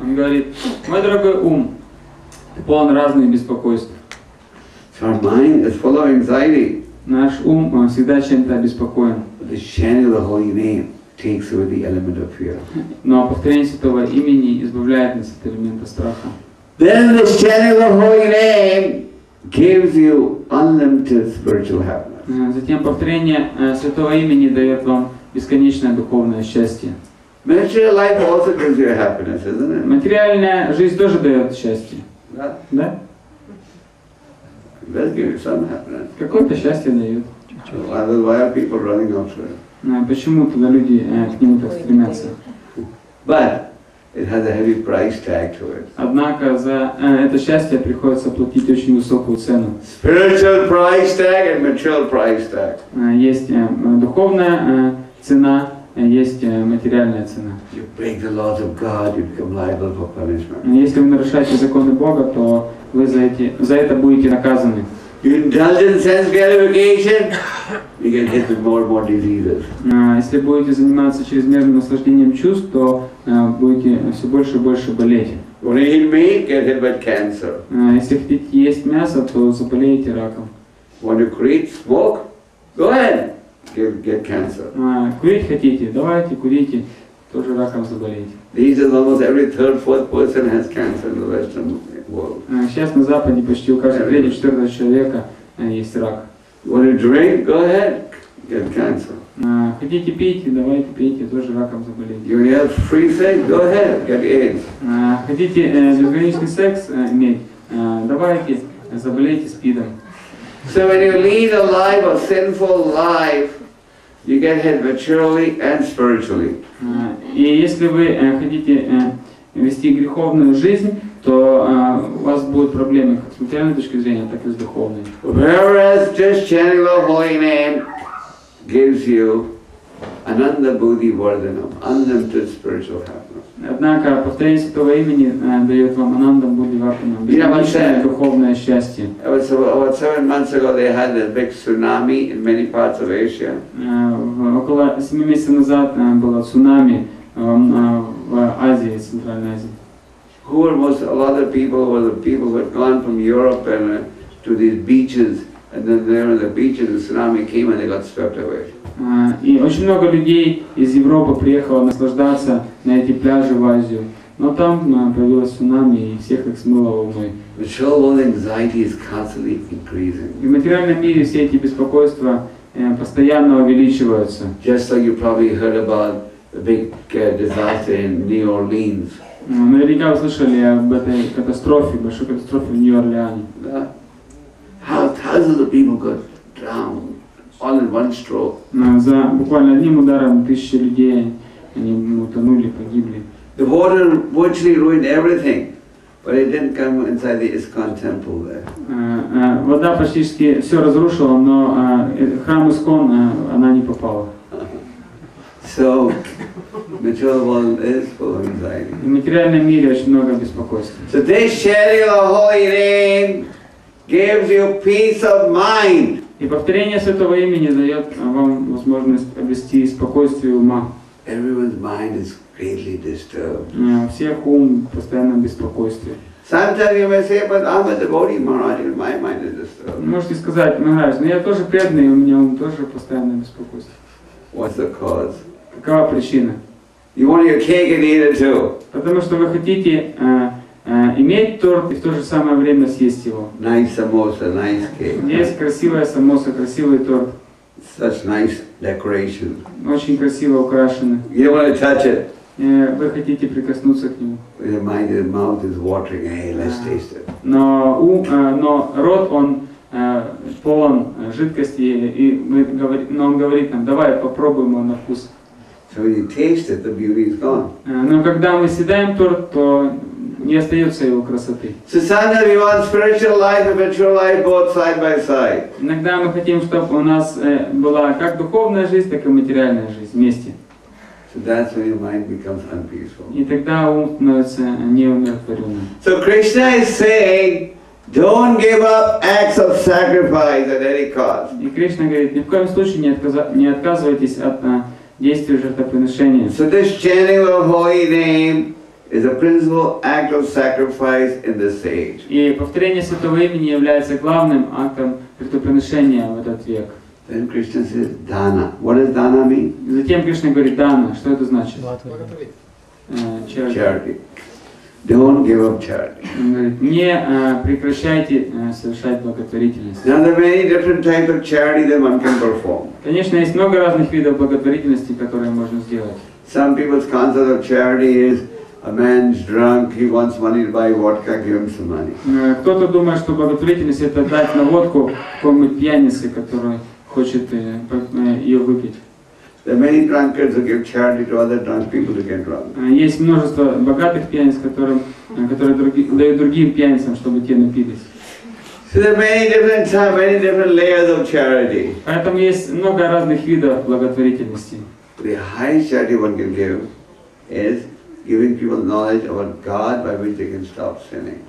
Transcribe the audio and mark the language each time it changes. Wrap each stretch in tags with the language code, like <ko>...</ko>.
<ru>Он говорит, мой дорогой ум, ты полон разных беспокойств.</ru> <en>So our mind is full of anxiety.</en> <ru>Наш ум всегда чем-то обеспокоен.</ru> <en>But the chanting of the holy name takes away the element of fear.</en> <ru>Но повторение святого имени избавляет нас от элемента страха.</ru> <en>Then the chanting of the holy name gives you unlimited spiritual happiness.</en> <ru>Затем повторение святого имени дает вам бесконечное духовное счастье.</ru> <en>Material life also gives you happiness, isn't it?</en> <ru>Материальная жизнь тоже дает счастье. Да? Да?</ru> <en>It gives you some happiness.</en> <ru>Какое-то счастье дает.</ru> <en>Well, why are people running after it?</en> <ru>Почему тогда люди к нему так стремятся?</ru> <en>But it has a heavy price tag to it.</en> <ru>Однако за это счастье приходится платить очень высокую цену.</ru> <en>Spiritual price tag and material price tag.</en> <ru>Есть духовная цена, есть материальная цена.</ru> <en>You break the laws of God, you become liable for punishment.</en> <ru>Если вы нарушаете законы Бога, то вы за это будете наказаны.</ru> <en>You indulge in sense gratification, you get hit with more and more diseases.</en> <ru>Если будете заниматься чрезмерным наслаждением чувств, то будете все больше и больше болеть.</ru> <en>You want to eat meat, get hit with cancer.</en> <ru>Если хотите есть мясо, то заболеете раком.</ru> <en>Want to quit, smoke? Go ahead, get cancer.</en> <ru>Курить хотите? Давайте курите, тоже раком заболеете.</ru> <en>These days, almost every third, fourth person has cancer in the Western world.</en> <ru>Сейчас на Западе почти у каждого третьего, четвертого человека есть рак.</ru> <en>Want to drink? Go ahead. Get cancer.</en> <ru>Хотите пить? Давайте пейте. Тоже раком заболеете.</ru> <en>You have free sex? Go ahead. Get AIDS.</en> <ru>Хотите безграничный секс иметь? Давайте заболейте СПИДом.</ru> <en>So when you lead a life, a sinful life, you get hit materially and spiritually.</en> <ru>И если вы хотите вести греховную жизнь, то у вас будут проблемы как с материальной точки зрения, так и с духовной.</ru> <en>Whereas just chanting the holy name gives you ananda buddhi vardhanam, unlimited spiritual happiness.</en> <ru>Однако повторение святого имени дает вам ананда буддхи вардханам, бесконечное духовное счастье.</ru> <en>About 7 months ago they had a big tsunami in many parts of Asia.</en> <ru>Около 7 месяцев назад было цунами в Азии, Центральной Азии.</ru> <en>Who were most, a lot of people were the people who had gone from Europe and to these beaches, and then there on the beaches the tsunami came and they got swept away.</en> <ru>И очень много людей из Европы приехало наслаждаться на эти пляжи в Азию, но там появилось цунами и всех их смыло волной.</ru> <en>The trouble, anxiety is constantly increasing.</en> <ru>В материальном мире все эти беспокойства постоянно увеличиваются.</ru> <en>Just like you probably heard about the big disaster in New Orleans.</en> <ru>Наверняка вы слышали об этой катастрофе, большой катастрофе в Нью-Орлеане. Да.</ru> <en>How thousands of people got drowned all in one stroke.</en> <ru>За буквально одним ударом тысячи людей они утонули, погибли.</ru> <en>The water virtually ruined everything, but it didn't come inside the ISKCON temple there.</en> <ru>Вода практически все разрушила, но храм ИСККОН она не попала.</ru> <en>So. Material world is full of anxiety.</en> <ru>В материальном мире очень много беспокойства.</ru> <en>So this sharing of the holy name gives you peace of mind.</en> <ru>И повторение святого имени дает вам возможность обрести спокойствие ума.</ru> <en>Everyone's mind is greatly disturbed.</en> <ru>Всех ум постоянно в беспокойстве.</ru> <en>Sometimes you may say, but I'm a devotee, Maharaj, and my mind is disturbed.</en> <ru>Можете сказать, Махарадж, но я тоже преданный, у меня ум тоже постоянно в беспокойстве.</ru> <en>What's the cause?</en> <ru>Какова причина?</ru> <en>You want your cake and eat it too.</en> <ru>Потому что вы хотите иметь торт и в то же самое время съесть его.</ru> <en>Nice samosa, nice cake.</en> <ru>Есть красивая самоса, красивый торт.</ru> <en>Such nice decoration.</en> <ru>Очень красиво украшено.</ru> <en>You want to touch it?</en> <ru>Вы хотите прикоснуться к нему?</ru> <en>Your mind, your mouth is watering. Hey, let's taste it.</en> <ru>Но рот он полон жидкости но он говорит нам: давай попробуем его на вкус.</ru> <en>So when you taste it, the beauty is gone.</en> <ru>Но когда мы съедаем торт, то не остается его красоты.</ru> <en>So sometimes we want spiritual life and material life both side by side.</en> <ru>Иногда мы хотим, чтобы у нас была как духовная жизнь, так и материальная жизнь вместе.</ru> <en>So that's when your mind becomes unpeaceful.</en> <ru>И тогда ум становится неумиротворенным.</ru> <en>So Krishna is saying, don't give up acts of sacrifice at any cost.</en> <ru>И Кришна говорит, ни в коем случае не отказывайтесь от действие жертвоприношения.</ru> <en>So this chanting of the holy name is a principal act of sacrifice in this age.</en> <ru>И повторение святого имени является главным актом жертвоприношения в этот век.</ru> <en>Then Krishna says dana. What does dana mean?</en> <ru>Затем Кришна говорит dana. Что это значит?</ru> <en>Charity. Charity. Don't give up charity.</en> <ru>Не прекращайте совершать благотворительность.</ru> <en>Now, there are many different types of charity that one can perform.</en> <ru>Конечно, есть много разных видов благотворительности, которые можно сделать.</ru> <en>Some people's concept of charity is a man's drunk, he wants money to buy vodka, give him some money.</en> <ru>Кто-то думает, что благотворительность это дать на водку какому-нибудь пьянице, который хочет ее выпить.</ru> <en>There are many drunkards who give charity to other drunk people to get drunk.</en> <ru>Есть множество богатых пьяниц, которые дают другим пьяницам, чтобы те напились.</ru> <en>So there are many different layers of charity.</en> <ru>Поэтому есть много разных видов благотворительности.</ru> <en>The highest charity one can give is giving people knowledge about God by which they can stop sinning.</en>